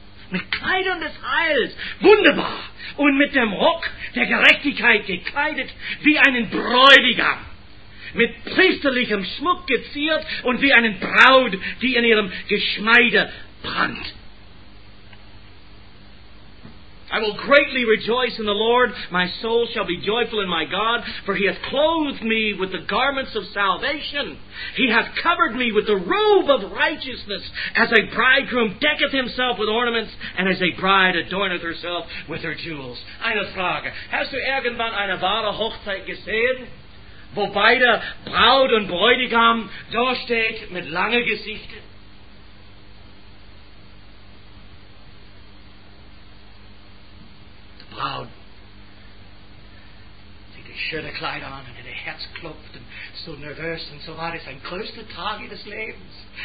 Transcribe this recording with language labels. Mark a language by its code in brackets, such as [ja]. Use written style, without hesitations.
[de] Mit Kleidern des Heils. Wunderbar. Und mit dem Rock der Gerechtigkeit gekleidet wie einen Bräutigam. Mit priesterlichem Schmuck geziert und wie eine Braut, die in ihrem Geschmeide brannt. [en] I will greatly rejoice in the Lord. My soul shall be joyful in my God, for he hath clothed me with the garments of salvation. He hath covered me with the robe of righteousness, as a bridegroom decketh himself with ornaments, and as a bride adorneth herself with her jewels. [de] Eine Frage. Hast du irgendwann eine wahre Hochzeit gesehen? Wo beide Braut und Bräutigam da steht mit langen Gesichtern. Die Braut sieht die schöne Kleider an und ihr Herz klopft und so nervös und so war das ein größter Tag ihres Lebens.